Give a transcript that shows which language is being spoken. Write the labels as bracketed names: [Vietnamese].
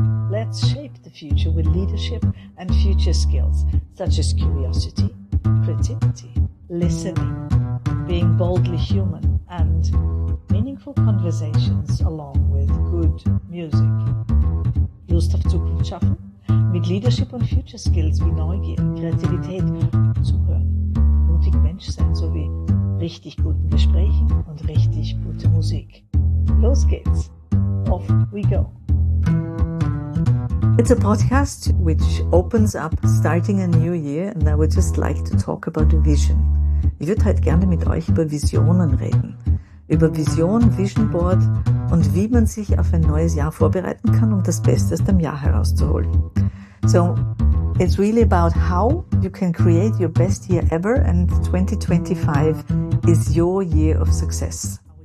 [English] Let's shape the future with leadership and future skills such as curiosity, creativity, listening, being boldly human, and meaningful conversations along with good music. [German] Lust auf Zukunft schaffen? Mit Leadership und Future Skills wie Neugier, Kreativität, Zuhören, mutig Mensch sein sowie richtig guten Gesprächen und richtig gute Musik. Los geht's! [English] Off we go! It's a podcast which opens up starting a new year, and I would just like to talk about a vision. [German] Ich würde halt gerne mit euch über Visionen reden. Über Vision, Vision Board und wie man sich auf ein neues Jahr vorbereiten kann, um das Beste aus dem Jahr herauszuholen. [English] So, it's really about how you can create your best year ever, and 2025 is your year of success.